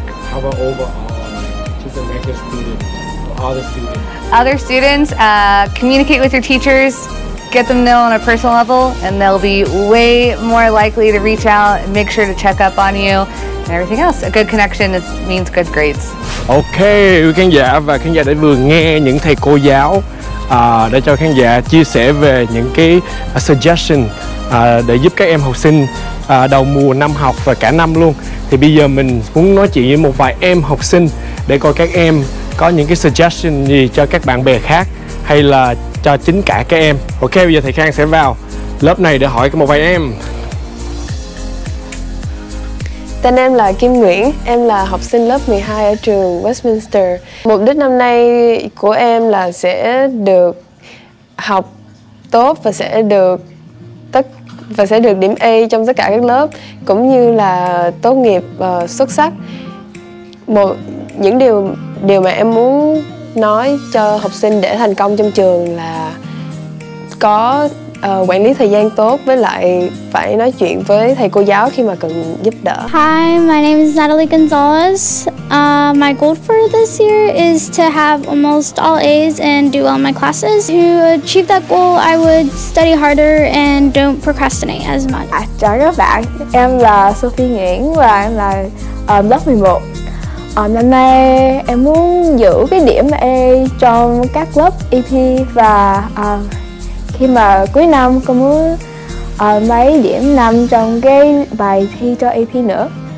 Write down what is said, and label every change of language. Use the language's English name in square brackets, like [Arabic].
[English] How about overall, just a regular student, other students? Other students, communicate with your teachers, get them to know on a personal level, and they'll be way more likely to reach out and make sure to check up on you and everything else. A good connection means good grades. [Vietnamese] Okay, quý khán giả và khán giả đã vừa nghe những thầy cô giáo để cho khán giả chia sẻ về những cái suggestion để giúp các em học sinh đầu mùa năm học và cả năm luôn. Thì bây giờ mình muốn nói chuyện với một vài em học sinh để coi các em có những cái suggestion gì cho các bạn bè khác hay là cho chính cả các em. Ok, bây giờ thầy Khang sẽ vào lớp này để hỏi một vài em. Tên em là Kim Nguyễn, em là học sinh lớp 12 ở trường Westminster. Mục đích năm nay của em là sẽ được học tốt và sẽ được điểm A trong tất cả các lớp, cũng như là tốt nghiệp xuất sắc. Một những điều mà em muốn nói cho học sinh để thành công trong trường là có quản lý thời gian tốt, với lại phải nói chuyện với thầy cô giáo khi mà cần giúp đỡ. [English] Hi, my name is Natalie Gonzalez. My goal for this year is to have almost all A's and do well in my classes. To achieve that goal, I would study harder and don't procrastinate as much. [Vietnamese] À, chào các bạn, em là Sophie Nguyễn và em là lớp 11. Năm nay em muốn giữ cái điểm A trong các lớp EP và khi mà cuối năm con muốn lấy điểm 5 trong cái bài thi cho AP nữa.